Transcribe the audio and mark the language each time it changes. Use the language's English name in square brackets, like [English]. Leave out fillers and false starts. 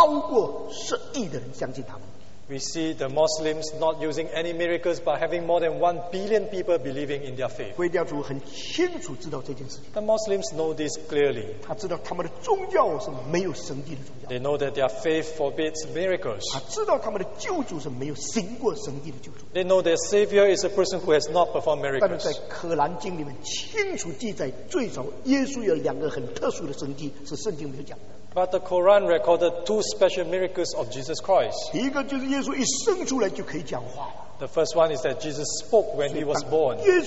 [Chinese] 回教从来不用神迹，就是差不多呢，全世界有超过10亿的人相信他们。 [English] We see the Muslims not using any miracles, but having more than 1 billion people believing in their faith. [Chinese] 回教主很清楚知道这件事情。 [English] The Muslims know this clearly. [Chinese] 他知道他们的宗教是没有神迹的宗教。 [English] They know that their faith forbids miracles. [Chinese] 他知道他们的救主是没有行过神迹的救主。 [English] They know their Savior is a person who has not performed miracles. [Chinese] 但是在《可兰经》里面清楚记载，最早耶稣有两个很特殊的神迹，是圣经没有讲的。 [English] But the Quran recorded 2 special miracles of Jesus Christ. [Chinese] 第一个就是耶稣一生出来就可以讲话了。 [English] The first one is that Jesus spoke when he was born.